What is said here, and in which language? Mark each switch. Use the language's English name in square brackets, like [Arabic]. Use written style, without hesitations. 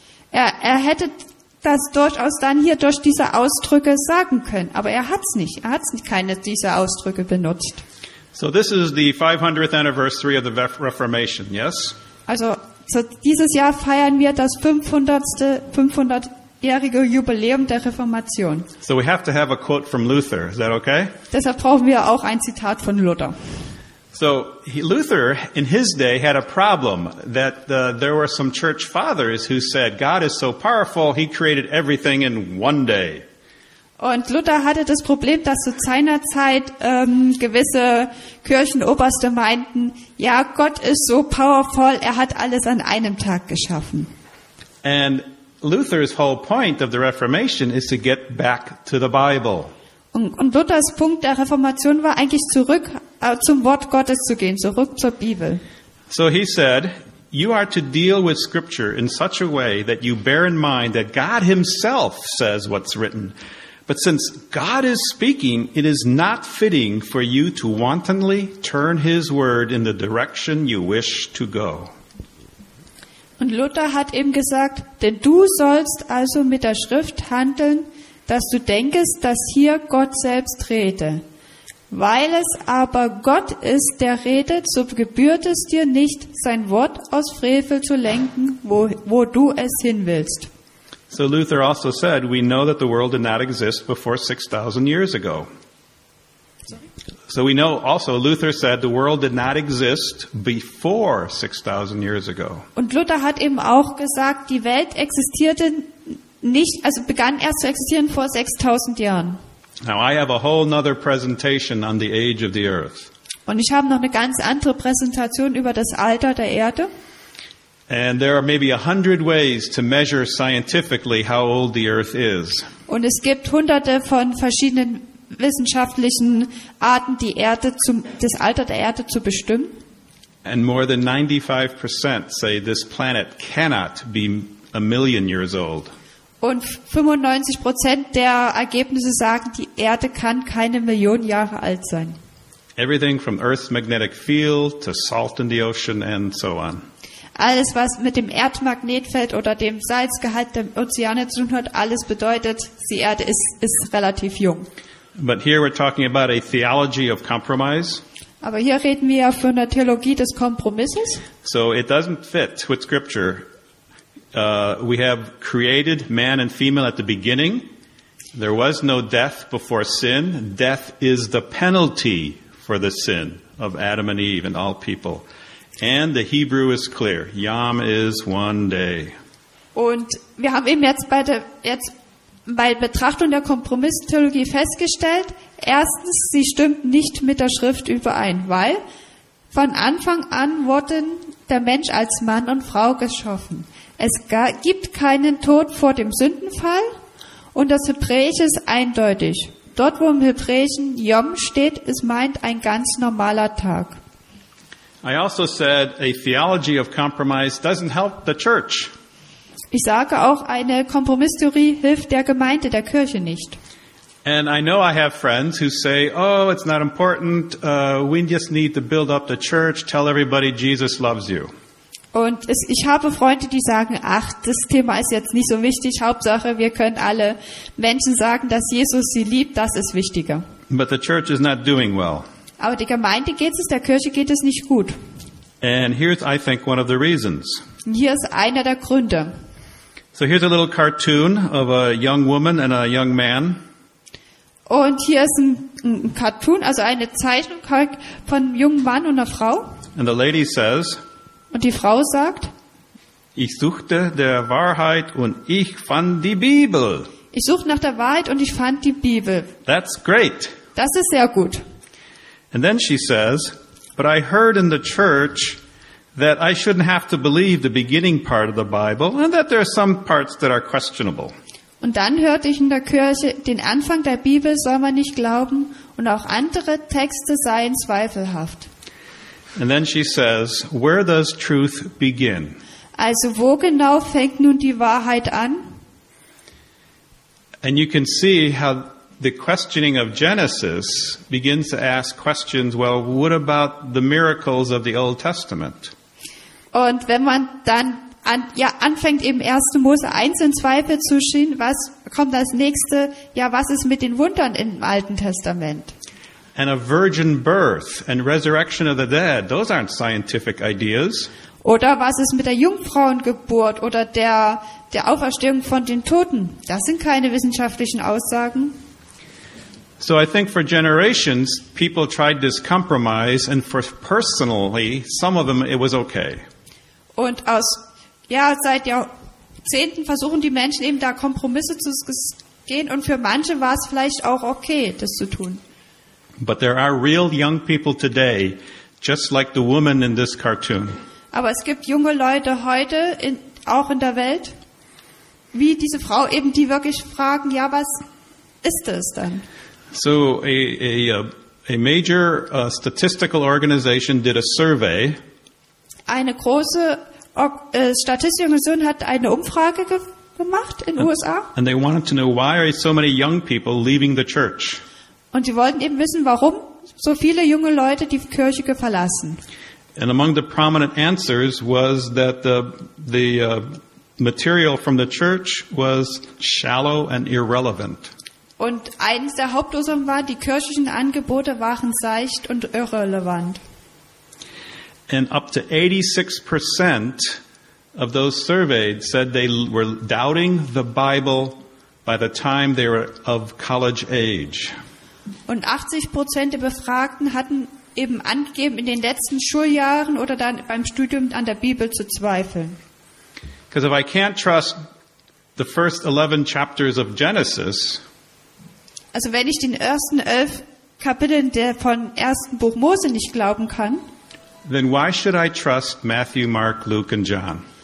[German] Er hätte das durchaus dann hier durch diese Ausdrücke sagen können, aber er hat es nicht. Er hat keine dieser Ausdrücke benutzt. [English] So this is the 500th anniversary of the Reformation, yes? [German] Also so dieses Jahr feiern wir das 500-jährige Jubiläum der Reformation. [English] So we have to have a quote from Luther. Is that okay? [German] Deshalb brauchen wir auch ein Zitat von Luther. [English] So Luther in his day had a problem that there were some church fathers who said God is so powerful he created everything in one day. [German] Und Luther hatte das Problem, dass zu seiner Zeit gewisse Kirchenoberste meinten, ja, Gott ist so powerful, er hat alles an einem Tag geschaffen. [English] And Luther's whole point of the Reformation is to get back to the Bible. [German] Und Luthers Punkt der Reformation war eigentlich zurück zum Wort Gottes zu gehen, zurück zur Bibel. [English] So he said, you are to deal with scripture in such a way that you bear in mind that God himself says what's written. But since God is speaking, it is not fitting for you to wantonly turn his word in the direction you wish to go. [German] Und Luther hat eben gesagt, denn du sollst also mit der Schrift handeln, dass du denkest, dass hier Gott selbst rede. Weil es aber Gott ist, der redet, so gebührt es dir nicht, sein Wort aus Frevel zu lenken, wo du es hin willst. [English] So Luther also said, we know that the world did not exist before 6,000 years ago. So we know also Luther said the world did not exist before 6,000 years ago. [German] Und Luther hat eben auch gesagt, die Welt existierte nicht, also begann erst zu existieren vor 6,000 Jahren. [English] Now I have a whole another presentation on the age of the earth. [German] Und ich habe noch eine ganz andere Präsentation über das Alter der Erde. [English] And there are maybe 100 ways to measure scientifically how old the earth is. [German] Und es gibt hunderte von verschiedenen wissenschaftlichen Arten die Erde das Alter der Erde zu bestimmen. [English] And more than 95% say this planet cannot be a million years old. [German] Und 95% der Ergebnisse sagen, die Erde kann keine Million Jahre alt sein. [English] Everything from Earth's magnetic field to salt in the ocean and so on. [German] Alles, was mit dem Erdmagnetfeld oder dem Salzgehalt der Ozeane zu tun hat, alles bedeutet, die Erde ist relativ jung. [English] But here we're talking about a theology of compromise. [German] Aber hier reden wir von einer Theologie des Kompromisses. [English] So it doesn't fit with Scripture. We have created man and female at the beginning. There was no death before sin. Death is the penalty for the sin of Adam and Eve and all people. And the Hebrew is clear. Yom is one day. [German] Und wir haben eben jetzt bei Betrachtung der Kompromisstheologie festgestellt, erstens, sie stimmt nicht mit der Schrift überein, weil von Anfang an wurden der Mensch als Mann und Frau geschaffen. Es gibt keinen Tod vor dem Sündenfall und das Hebräische ist eindeutig. Dort, wo im Hebräischen Yom steht, es meint ein ganz normaler Tag. [English] I also said, a theology of compromise doesn't help the church. [German] Ich sage auch, eine Kompromisstheorie hilft der Gemeinde, der Kirche nicht. [English] And I know I have friends who say, oh, it's not important, we just need to build up the church, tell everybody Jesus loves you. [German] Und ich habe Freunde, die sagen, ach, das Thema ist jetzt nicht so wichtig, Hauptsache, wir können alle Menschen sagen, dass Jesus sie liebt, das ist wichtiger. [English] But the church is not doing well. [German] Aber die Gemeinde geht es, der Kirche geht es nicht gut. [English] And here's, I think, one of the reasons. [German] Hier ist einer der Gründe. [English] So here's a little cartoon of a young woman and a young man. [German] Und hier ist ein Cartoon, also eine Zeichnung von einem jungen Mann und einer Frau. [English] And the lady says, [German] und die Frau sagt, ich suchte der Wahrheit und ich fand die Bibel. Ich suchte nach der Wahrheit und ich fand die Bibel. [English] That's great. [German] Das ist sehr gut. [English] And then she says, but I heard in the church that I shouldn't have to believe the beginning part of the Bible and that there are some parts that are questionable. [German] Und dann hörte ich in der Kirche, den Anfang der Bibel soll man nicht glauben und auch andere Texte seien zweifelhaft. [English] And then she says, where does truth begin? [German] Also wo genau fängt nun die Wahrheit an? [English] And you can see how the questioning of Genesis begins to ask questions, well, what about the miracles of the Old Testament? [German] Und wenn man dann anfängt eben 1. Mose 1 in Zweifel zu schien, was kommt als nächste? Ja, was ist mit den Wundern im Alten Testament? [English] And a virgin birth and resurrection of the dead, those aren't scientific ideas. [German] Oder was ist mit der Jungfrauengeburt oder der Auferstehung von den Toten? Das sind keine wissenschaftlichen Aussagen. [English] So I think for generations people tried this compromise and for personally some of them it was okay. [German] Und seit Jahrzehnten versuchen die Menschen eben da Kompromisse zu gehen und für manche war es vielleicht auch okay, das zu tun. [English] But there are real young people today, just like the woman in this cartoon. [German] Aber es gibt junge Leute heute auch in der Welt, wie diese Frau eben, die wirklich fragen, ja, was ist das dann? [English] So a major statistical organization did a survey. [German] Eine große Statistische Organisation hat eine Umfrage gemacht in den USA. [English] And they wanted to know why are so many young people leaving the church. [German] Und sie wollten eben wissen, warum so viele junge Leute die Kirche verlassen. [English] And among the prominent answers was that the material from the church was shallow and irrelevant. [German] Und eines der Hauptursachen war, die kirchlichen Angebote waren seicht und irrelevant. [English] And up to 86% of those surveyed said they were doubting the Bible by the time they were of college age. [German] Und 80% der Befragten hatten eben angegeben, in den letzten Schuljahren oder dann beim Studium an der Bibel zu zweifeln. [English] Because if I can't trust the first 11 chapters of Genesis, [German] also wenn ich den ersten 11 Kapiteln der von ersten Buch Mose nicht glauben kann, [English] then why should I trust Matthew, Mark, Luke and John?